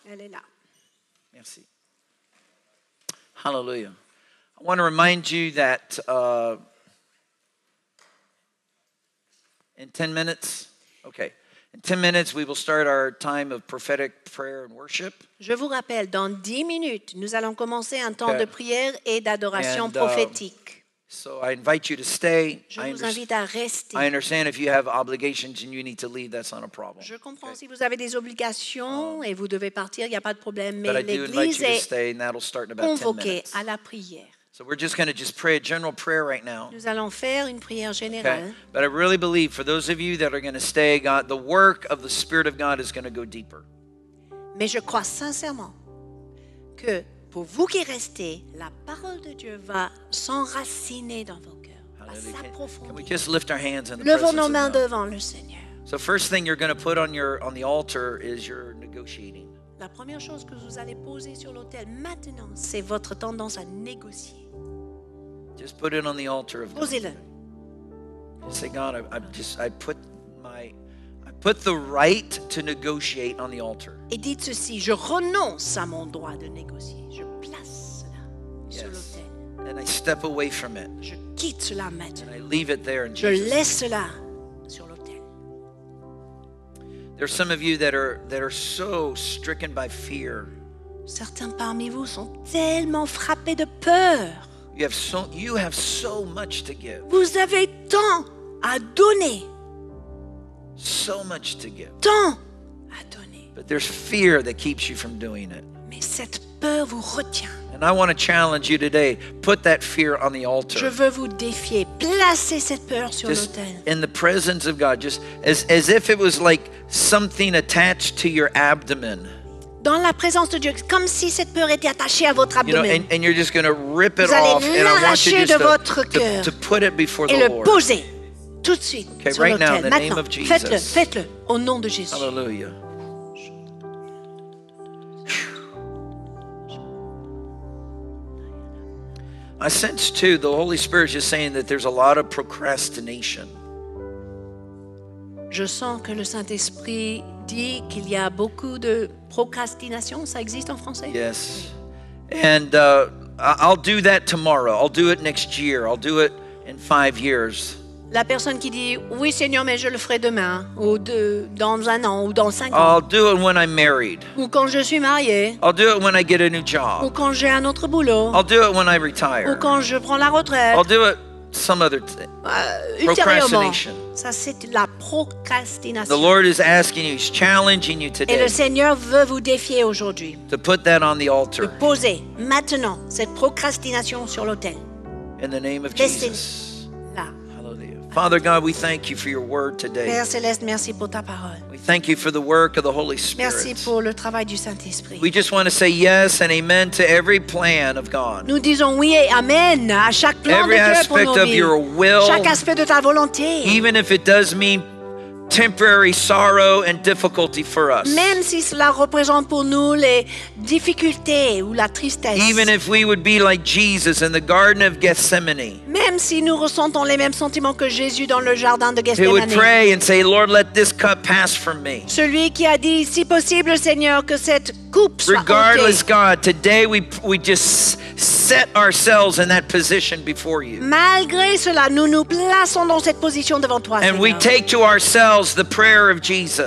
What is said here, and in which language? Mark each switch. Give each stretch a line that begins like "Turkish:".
French: Elle est là. Merci. Hallelujah.
English: I want to remind you that in 10 minutes, okay, in 10 minutes we will start our time of prophetic prayer and worship.
French: Je vous rappelle, dans 10 minutes, nous allons commencer un temps de prière et d'adoration prophétique.
English: So I invite you to stay.
French: Je vous invite à rester.
English: I understand if you have obligations and you need to leave, that's not a problem.
French: Je comprends si vous avez des obligations et vous devez partir, il n'y a pas de problème. Mais l'Église est convoquée à la prière.
English: So we're just going to just pray a general prayer right now.
French: Nous allons faire une prière générale.
English: Okay? But I really believe for those of you that are going to stay, God, the work of the Spirit of God is going to go deeper.
French: Mais je crois sincèrement que pour vous qui restez, la parole de Dieu va s'enraciner dans vos cœurs, va s'approfondir.
English: Can we just lift our hands in the
French: levons nos mains
English: of God.
French: Devant le Seigneur.
English: So first thing you're going to put on the altar is your negotiating.
French: La première chose que vous allez poser sur l'autel maintenant, c'est votre tendance à négocier.
English: Just put it on the altar of
French: posez-le.
English: God. Just say, God, I put the right to negotiate on the altar.
French: Et dites ceci, je renonce à mon droit de négocier. Je place cela sur l'autel.
English: And I step away from it.
French: Je quitte cela maintenant.
English: And I leave it there in
French: je
English: Jesus' name.
French: Je laisse cela sur l'autel.
English: There are some of you that are so stricken by fear.
French: Certains parmi vous sont tellement frappés de peur.
English: You have so much to give.
French: Vous avez tant à donner.
English: So much to give.
French: Tant à donner.
English: But there's fear that keeps you from doing it.
French: Mais cette peur vous retient.
English: And I want to challenge you today. Put that fear on the altar.
French: Je veux vous défier. Placez cette peur sur
English: just
French: l'autel.
English: In the presence of God, just as if it was like something attached to your abdomen.
French: Dans la présence de Dieu, comme si cette peur était attachée à votre abdomen.
English: You know, and you're just going to rip it
French: vous
English: off, and I want you just
French: de votre cœur
English: to put it before the Lord.
French: Et le poser tout de suite
English: okay,
French: sur
English: right
French: l'autel.
English: Now, in the name of Jesus.
French: Faites-le, faites-le au nom de Jésus.
English: Hallelujah. I sense too the Holy Spirit is saying that there's a lot of procrastination.
French: Je sens que le Saint-Esprit dit qu'il y a beaucoup de procrastination. Ça existe en français?
English: Yes. And I'll do that tomorrow. I'll do it next year. I'll do it in 5 years.
French: La personne qui dit oui Seigneur mais je le ferai demain ou dans un an ou dans 5 ans.
English: I'll do it when I'm married.
French: Ou quand je suis marié.
English: I'll do it when I get a new job.
French: Ou quand j'ai un autre boulot.
English: I'll do it when I retire.
French: Ou quand je prends la retraite.
English: I'll do it some other thing.
French: Procrastination. Ça c'est la procrastination.
English: The Lord is asking you, he's challenging you today.
French: Et le Seigneur veut vous défier aujourd'hui.
English: To put that on the altar.
French: De poser maintenant cette procrastination sur l'autel.
English: In the name of Jesus. Father God, we thank you for your word today.
French: Père céleste, merci pour ta parole.
English: We thank you for the work of the Holy Spirit.
French: Merci pour le travail du Saint-Esprit.
English: We just want to say yes and amen to every plan of God.
French: Nous disons oui et amen à chaque plan
English: every
French: de Dieu
English: aspect
French: pour nos
English: of your will.
French: Chaque aspect de ta volonté.
English: Even if it does mean temporary sorrow and difficulty for us.
French: Même si cela représente pour nous les difficultés ou la tristesse.
English: Even if we would be like Jesus in the Garden of Gethsemane.
French: Même si nous ressentons les mêmes sentiments que Jésus dans le jardin de Gethsemane.
English: He would pray and say, "Lord, let this cup pass from me."
French: Celui qui a dit, si possible, Seigneur, que cette coupe soit ôtée.
English: Regardless, God, today we just set ourselves in that position before you.
French: Malgré cela, nous nous plaçons dans cette position devant toi,
English: and
French: Seigneur.
English: We take to ourselves the prayer of Jesus.